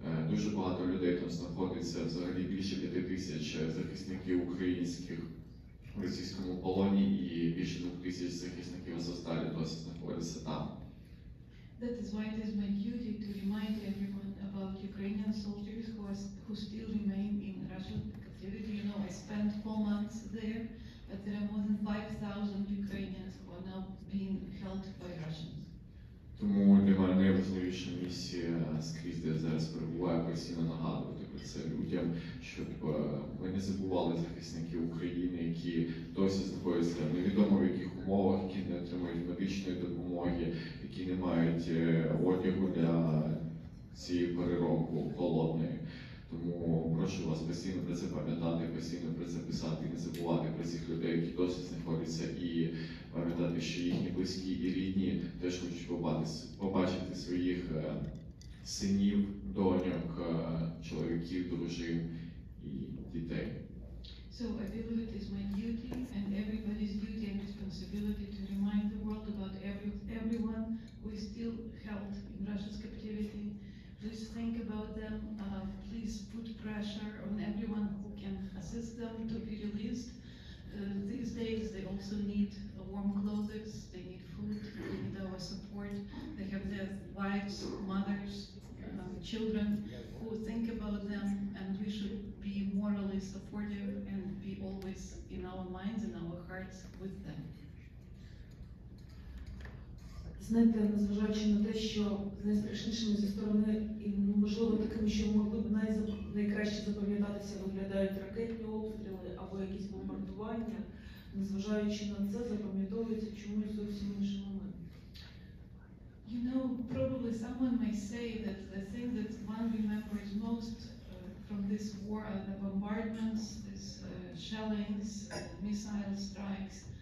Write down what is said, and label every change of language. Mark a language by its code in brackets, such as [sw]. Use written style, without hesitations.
[uk] Дуже багато людей там знаходиться, взагалі більше 5 тисяч захисників українських в російському полоні і більше 2 тисяч захисників Азовсталі досі знаходяться там. [en] That is why it is my duty to remind everyone about Ukrainian soldiers who still remain in Russian captivity. You know, I spent 4 months there, but there are more than 5,000 Ukrainians who are now being held by Russians. [uk] Тому для мене найважливіша місія скрізь, де я зараз перебуваю, постійно нагадувати про це людям, щоб ми не забували захисників України, які досі знаходяться невідомо в яких умовах, які не отримують медичної допомоги, які не мають одягу для цієї переробки холодної. Тому прошу вас постійно про це пам'ятати, постійно про це писати, не забувати про цих людей, які досі знаходяться, і пам'ятати, що їхні близькі і рідні теж хочуть побачити своїх синів, доньок, чоловіків, дружин і дітей. [en] So I believe it is my duty and everybody's duty and responsibility to remind the world about everyone who is still held in Russia's captivity. Please think about them. Please put pressure on everyone who can assist them to be released. These days they also need warm clothes, they need food, they need our support. They have their wives, mothers, children who think about them, and we should be morally supportive and be always in our minds and our hearts with them. [uk] Знаєте, незважаючи на те, що найстрашнішими зі сторони і, можливо, такими, що могли б найкраще запам'ятатися, виглядають ракетні обстріли або якісь бомбардування, незважаючи на це, запам'ятовується чомусь зовсім інший момент. [en] You know, probably someone may say that the thing that one remembers most from this war are the bombardments, these shellings, missile strikes.